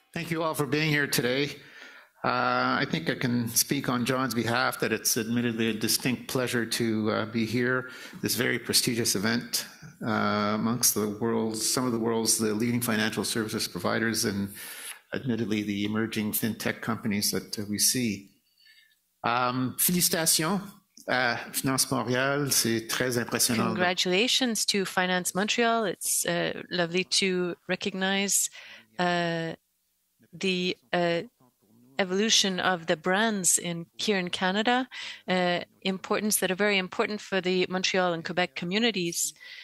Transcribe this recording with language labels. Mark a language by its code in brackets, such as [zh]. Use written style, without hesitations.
[en] you all for being here today. I think I can speak on John's behalf that it's admittedly a distinct pleasure to be here, this very prestigious event amongst the world's, some of the world's the leading financial services providers and admittedly the emerging fintech companies that we see. [fr] Félicitations à Finance Montréal, c'est très impressionnant. [en] Congratulations to Finance Montreal, it's lovely to recognize the evolution of the brands in here in Canada, importance that are very important for the Montreal and Quebec communities.